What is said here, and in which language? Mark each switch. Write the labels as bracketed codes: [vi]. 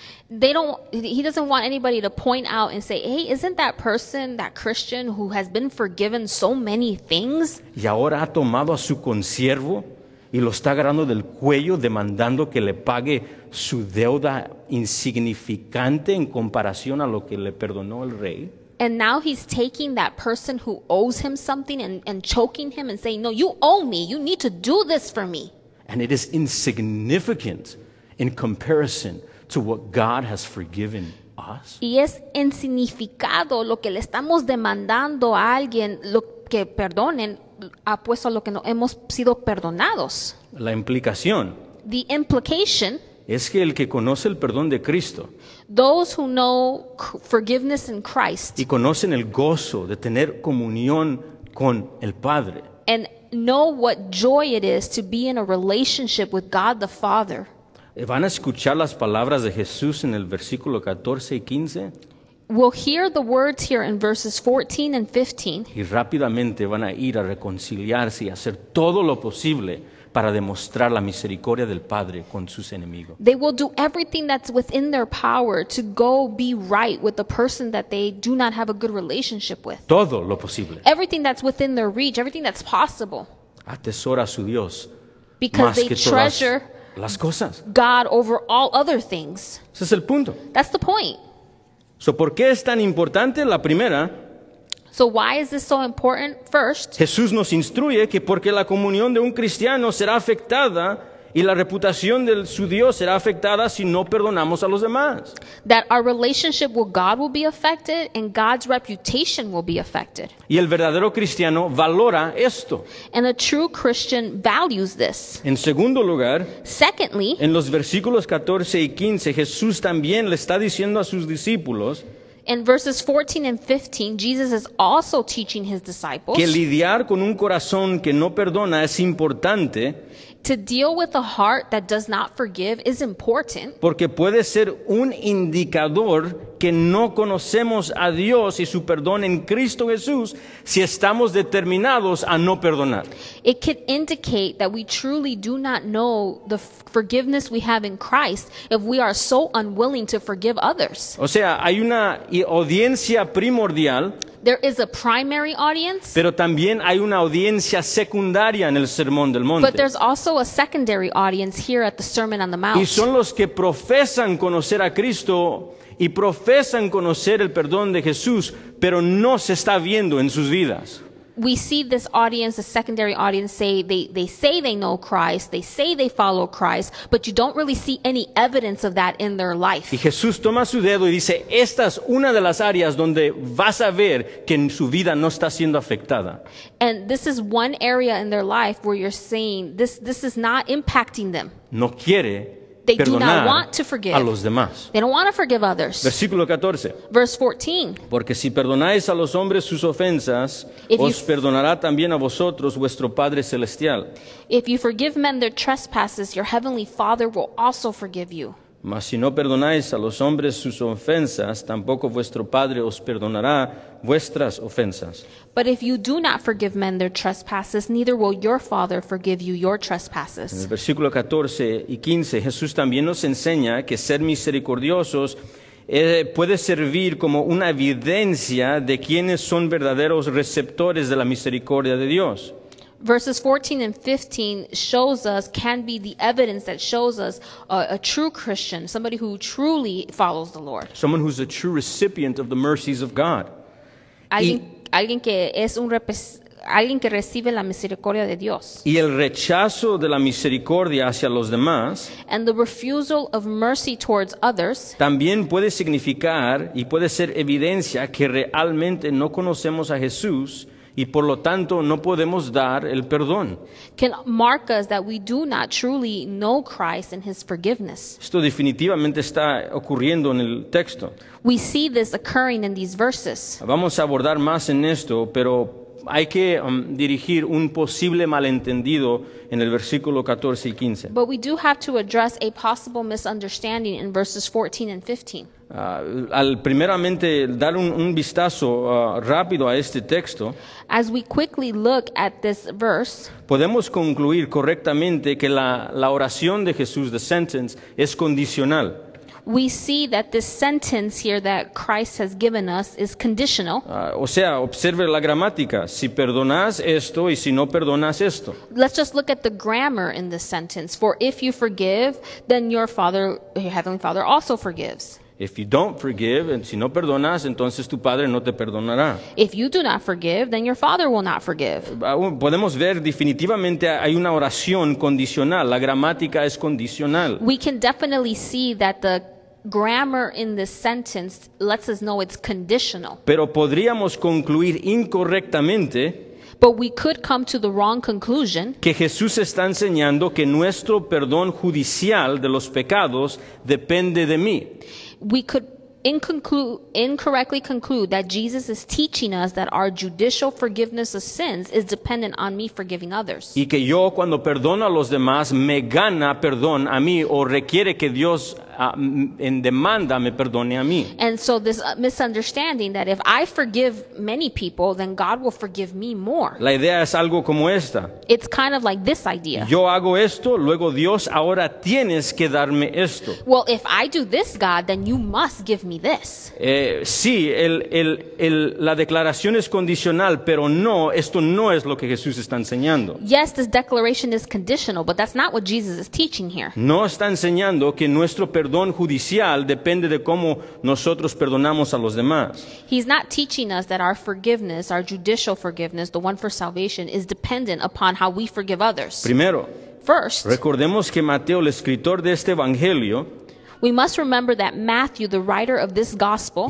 [en] He doesn't want anybody to point out and say, hey, isn't that person, that Christian who has been forgiven so many things? [es] Y ahora ha tomado a su consiervo y lo está agarrando del cuello demandando que le pague su deuda insignificante en comparación a lo que le perdonó el rey. [en] And now he's taking that person who owes him something and choking him and saying, no, you owe me, you need to do this for me. And it is insignificant in comparison to what God has forgiven us. [es] Y es insignificado lo que le estamos demandando a alguien, lo que perdonen, apuesto a lo que no hemos sido perdonados. La implicación. [en] The implication. [es] Es que el que conoce el perdón de Cristo. [en] Those who know forgiveness in Christ. [es] Y conocen el gozo de tener comunión con el Padre. [en] And know what joy it is to be in a relationship with God the Father. [es] ¿Van a escuchar las palabras de Jesús en el versículo 14 y 15? [en] We'll hear the words here in verses 14 and 15. [es] Y rápidamente van a ir a reconciliarse y hacer todo lo posible para demostrar la misericordia del Padre con sus enemigos. [en] They will do everything that's within their power to go be right with the person that they do not have a good relationship with. [es] Todo lo posible. [en] Everything that's within their reach, everything that's possible. [es] Atesora a su Dios. [en] Because [es] más [en] they [es] que [en] treasure [es] todas las cosas. [en] God over all other things. [es] Ese es el punto. [en] That's the point. [es] So, ¿por qué es tan importante la primera? [en] So why is this so important? First, [es] Jesús nos instruye que porque la comunión de un cristiano será afectada y la reputación de su Dios será afectada si no perdonamos a los demás. [en] That our relationship with God will be affected and God's reputation will be affected. [es] Y el verdadero cristiano valora esto. [en] And a true Christian values this. [es] En segundo lugar, [en] secondly, [es] en los versículos 14 y 15, Jesús también le está diciendo a sus discípulos, [en] in verses 14 and 15, Jesus is also teaching his disciples [es] que lidiar con un corazón que no perdona es importante. [en] To deal with a heart that does not forgive is important. [es] Porque puede ser un indicador que no conocemos a Dios y su perdón en Cristo Jesús si estamos determinados a no perdonar. [en] It could indicate that we truly do not know the forgiveness we have in Christ if we are so unwilling to forgive others. [es] O sea, hay una audiencia primordial. [en] There is a primary audience. [es] Pero también hay una audiencia secundaria en el Sermón del Monte. [en] But there's also a secondary audience here at the Sermon on the Mount. [es] Y son los que profesan conocer a Cristo y profesan conocer el perdón de Jesús, pero no se está viendo en sus vidas. [en] We see this audience, the secondary audience, say they say they know Christ, they say they follow Christ, but you don't really see any evidence of that in their life. [es] Y Jesús toma su dedo y dice, esta es una de las áreas donde vas a ver que en su vida no está siendo afectada. [en] And this is one area in their life where you're saying this is not impacting them. [es] No quiere [en] They do not want to forgive [es] a los demás. [en] They don't want to forgive others. [es] Versículo 14. [en] Verse 14. [es] Porque si perdonáis a los hombres sus ofensas, os perdonará también a vosotros vuestro Padre Celestial. [en] If you forgive men their trespasses, your heavenly Father will also forgive you. [es] Mas si no perdonáis a los hombres sus ofensas, tampoco vuestro Padre os perdonará vuestras ofensas. [en] But if you do not forgive men their trespasses, neither will your Father forgive you your trespasses. [es] En el versículo 14 y 15, Jesús también nos enseña que ser misericordiosos puede servir como una evidencia de quienes son verdaderos receptores de la misericordia de Dios. [en] Verses 14 and 15 shows us, can be the evidence that shows us a true Christian, somebody who truly follows the Lord. Someone who's a true recipient of the mercies of God. [es] Alguien que es un alguien que recibe la misericordia de Dios. Y el rechazo de la misericordia hacia los demás. [en] And the refusal of mercy towards others. [es] También puede significar y puede ser evidencia que realmente no conocemos a Jesús. Y por lo tanto no podemos dar el perdón. [en] Can mark us that we do not truly know Christ and his forgiveness. [es] Esto definitivamente está ocurriendo en el texto. [en] We see this occurring in these verses. [es] Vamos a abordar más en esto, pero hay que dirigir un posible malentendido en el versículo 14 y 15. [en] But we do have to address a possible misunderstanding in verses 14 and 15. [es] Al primeramente dar un vistazo rápido a este texto, [en] as we quickly look at this verse, [es] podemos concluir correctamente que la oración de Jesús, [en] the sentence, [es] es condicional. [en] We see that this sentence here that Christ has given us is conditional. [es] O sea, observe la gramática. Si perdonas esto y si no perdonas esto. [en] Let's just look at the grammar in this sentence. For if you forgive, then your Father, your Heavenly Father also forgives. If you don't forgive, and [es] si no perdonas, entonces tu padre no te perdonará. [en] If you do not forgive, then your father will not forgive. [es] Podemos ver definitivamente hay una oración condicional. La gramática es condicional. [en] We can definitely see that the grammar in this sentence lets us know it's conditional. [es] Pero podríamos concluir incorrectamente. [en] But we could come to the wrong conclusion. [es] Que Jesús está enseñando que nuestro perdón judicial de los pecados depende de mí. [en] We could incorrectly conclude that Jesus is teaching us that our judicial forgiveness of sins is dependent on me forgiving others. [es] Y que yo cuando perdono a los demás me gana perdón a mí o requiere que Dios en demanda me perdone a mí. [en] And so this misunderstanding that if I forgive many people, then God will forgive me more. [es] La idea es algo como esta. [en] It's kind of like this idea. [es] Yo hago esto, luego Dios, ahora tienes que darme esto. [en] Well, if I do this, God, then you must give me this. [es] Sí, la declaración es condicional, pero no, esto no es lo que Jesús está enseñando. [en] Yes, this declaration is conditional, but that's not what Jesus is teaching here. [es] No está enseñando que nuestro perdón judicial depende de cómo nosotros perdonamos a los demás. [en] He's not teaching us that our forgiveness, our judicial forgiveness, the one for salvation, is dependent upon how we forgive others. [es] Primero, [en] first, [es] recordemos que Mateo, el escritor de este evangelio, [en] we must remember that Matthew, the writer of this gospel,